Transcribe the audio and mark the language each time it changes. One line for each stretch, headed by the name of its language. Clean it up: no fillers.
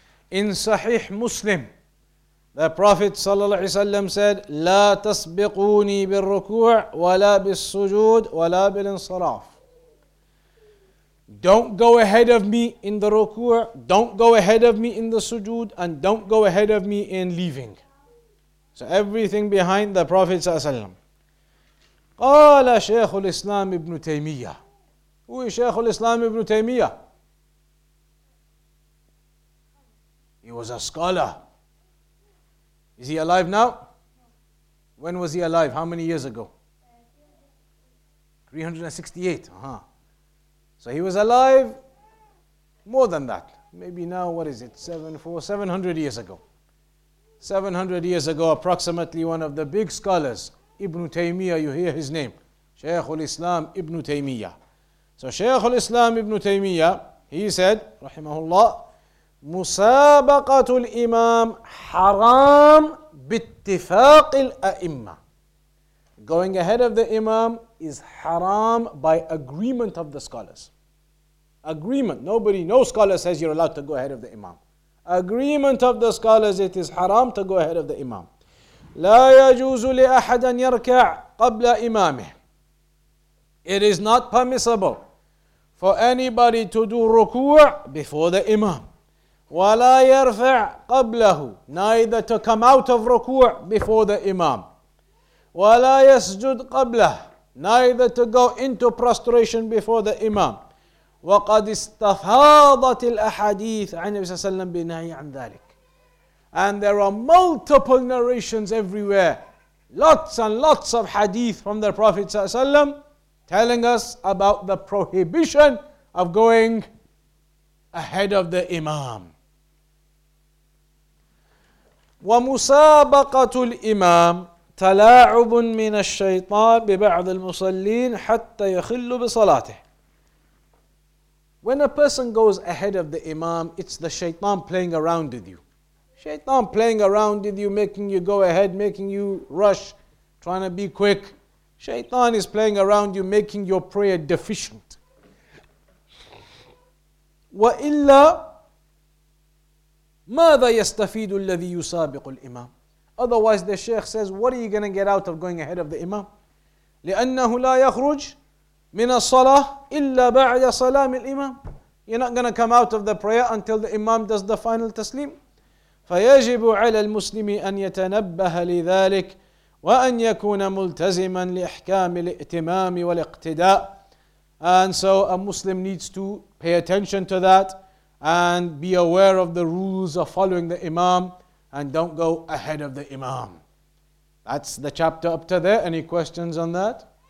English: In Sahih Muslim, the Prophet ﷺ said,
Arabic: لا تسبقوني بالركوع ولا بالسجود ولا بالانصراف.
English: Don't go ahead of me in the ruku, don't go ahead of me in the sujood, and don't go ahead of me in leaving. So everything behind the Prophet ﷺ.
Arabic: قال شيخ الإسلام ابن تيمية.
English: Who is
Arabic: شيخ الإسلام ابن تيمية?
English: He was a scholar. Is he alive now? When was he alive? How many years ago? 368. So he was alive more than that. Maybe now, what is it? 700 years ago. 700 years ago, approximately, one of the big scholars, Ibn Taymiyyah, you hear his name. Shaykh al-Islam Ibn Taymiyyah. So Shaykh al-Islam Ibn Taymiyyah, he said, Rahimahullah,
Arabic: مسابقة الإمام حرام باتفاق الأئمة.
English: Going ahead of the Imam is haram by agreement of the scholars. Agreement. Nobody, no scholar says you're allowed to go ahead of the Imam. Agreement of the scholars, it is haram to go ahead of the Imam.
Arabic: لا يجوز لأحد أن يركع قبل إمامه.
English: It is not permissible for anybody to do ruku' before the Imam.
Arabic: ولا يرفع قبله.
English: Neither to come out of ruku' before the Imam.
Arabic: ولا يسجد قبله.
English: Neither to go into prostration before the Imam.
Arabic: وقد استفاضت الأحاديث عن النبي صلى الله عليه وسلم بنهي عن ذلك.
English: And there are multiple narrations everywhere. Lots and lots of hadith from the Prophet ﷺ telling us about the prohibition of going ahead of the Imam.
Arabic: ومسابقة الإمام تلاعب من الشيطان ببعض المصلين حتى يخل بصلاته.
English: When a person goes ahead of the Imam, it's the shaitan playing around with you. Shaitan playing around with you, making you go ahead, making you rush, trying to be quick. Shaitan is playing around you, making your prayer deficient.
Arabic: وَإِلَّا مَاذَا يَسْتَفِيدُ الَّذِي يُسَابِقُ الْإِمَامِ.
English: Otherwise, the Shaykh says, what are you going to get out of going ahead of the Imam?
Arabic: لِأَنَّهُ لَا يَخْرُجْ مِنَ الصَّلَاةِ إِلَّا بَعْدَ صَلَامِ الْإِمَامِ.
English: You're not going to come out of the prayer until the Imam does the final taslim.
Arabic: فيجب على المسلم أن يتنبه لذلك وأن يكون ملتزما لإحكام الائتمام والاقتداء.
English: And so a Muslim needs to pay attention to that and be aware of the rules of following the Imam and don't go ahead of the Imam. That's the chapter up to there. Any questions on that?